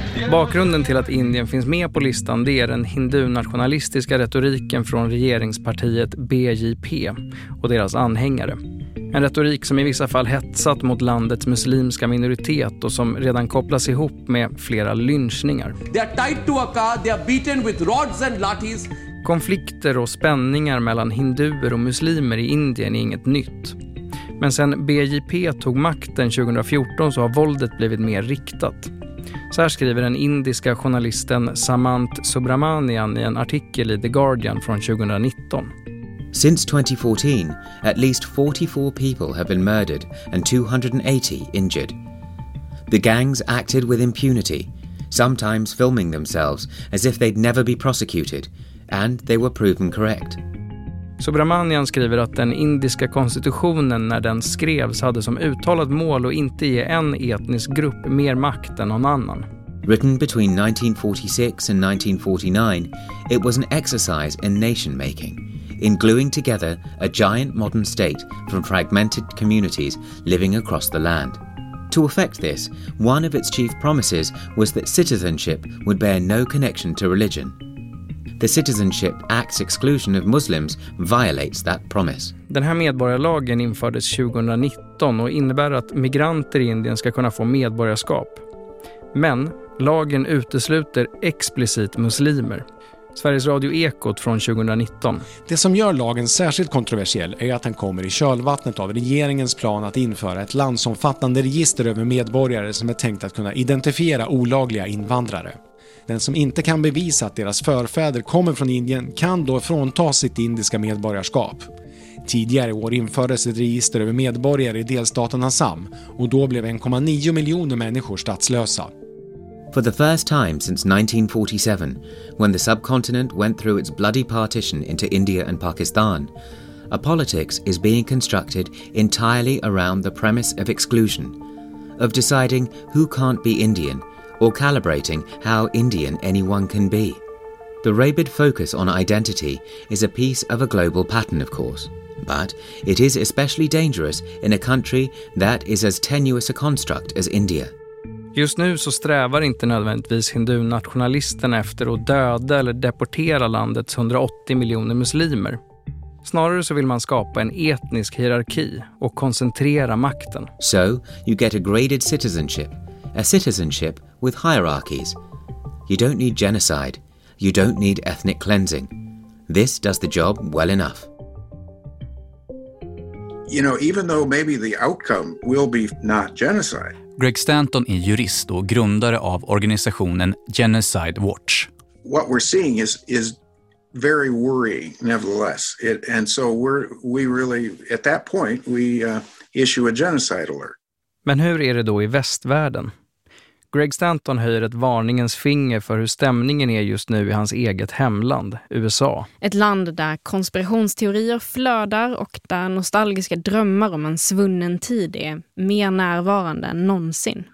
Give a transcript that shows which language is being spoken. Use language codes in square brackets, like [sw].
[sv] Bakgrunden till att Indien finns med på listan det är den hindu-nationalistiska retoriken från regeringspartiet BJP och deras anhängare. En retorik som i vissa fall hetsat mot landets muslimska minoritet och som redan kopplas ihop med flera lynchningar. [en] They are tied to a car, they are beaten with rods and lathis. [sv] Konflikter och spänningar mellan hinduer och muslimer i Indien är inget nytt. Men sen BJP tog makten 2014 så har våldet blivit mer riktat. Så här skriver den indiska journalisten Samant Subramanian i en artikel i The Guardian från 2019. [en] Since 2014, at least 44 people have been murdered and 280 injured. The gangs acted with impunity, sometimes filming themselves as if they'd never be prosecuted, and they were proven correct. [sv] Subramanian skriver att den indiska konstitutionen när den skrevs hade som uttalat mål att inte ge en etnisk grupp mer makt än någon annan. [en] Written between 1946 and 1949, it was an exercise in nation-making, in gluing together a giant modern state from fragmented communities living across the land. To effect this, one of its chief promises was that citizenship would bear no connection to religion. The Citizenship Act's exclusion of Muslims violates that promise. [sv] Den här medborgarlagen infördes 2019 och innebär att migranter i Indien ska kunna få medborgarskap. Men lagen utesluter explicit muslimer. Sveriges Radio Ekot från 2019. Det som gör lagen särskilt kontroversiell är att den kommer i kölvattnet av regeringens plan att införa ett landsomfattande register över medborgare som är tänkt att kunna identifiera olagliga invandrare. Den som inte kan bevisa att deras förfäder kommer från Indien kan då frånta sitt indiska medborgarskap. Tidigare i år infördes ett register över medborgare i delstaten Assam och då blev 1,9 miljoner människor statslösa. [en] For the first time since 1947, when the subcontinent went through its bloody partition into India and Pakistan, a politics is being constructed entirely around the premise of exclusion, of deciding who can't be Indian, or calibrating how Indian anyone can be. The rabid focus on identity is a piece of a global pattern, of course, but it is especially dangerous in a country that is as tenuous a construct as India. [sv] Just nu så strävar inte nödvändigtvis hindu-nationalisterna efter att döda eller deportera landets 180 miljoner muslimer. Snarare så vill man skapa en etnisk hierarki och koncentrera makten. [en] So you get a graded citizenship. A citizenship with hierarchies. You don't need genocide. You don't need ethnic cleansing. This does the job well enough. You know, even though maybe the outcome will be not genocide. [sv] Greg Stanton är jurist och grundare av organisationen Genocide Watch. [en] What we're seeing is very worrying nevertheless. And so we really at that point we issue a genocide alert. [sv] Men hur är det då i västvärlden? Greg Stanton höjer ett varningens finger för hur stämningen är just nu i hans eget hemland, USA. Ett land där konspirationsteorier flödar och där nostalgiska drömmar om en svunnen tid är mer närvarande än någonsin.